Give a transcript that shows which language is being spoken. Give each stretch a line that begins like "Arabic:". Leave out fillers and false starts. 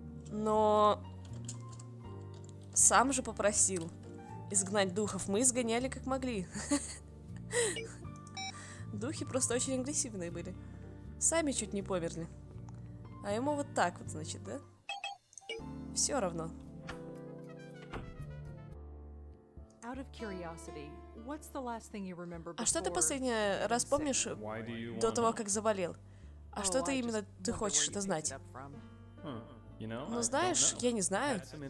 Russian: Но... Сам же попросил... Изгнать духов. Мы изгоняли как могли. Духи просто очень агрессивные были. Сами чуть не померли. А ему вот так вот, значит, да? Все равно.
English: Out of curiosity, what's the last thing you remember before?
Russian: А что ты последний раз помнишь до того, как заболел? А что ты именно ты хочешь это знать? Ну, знаешь, я не знаю.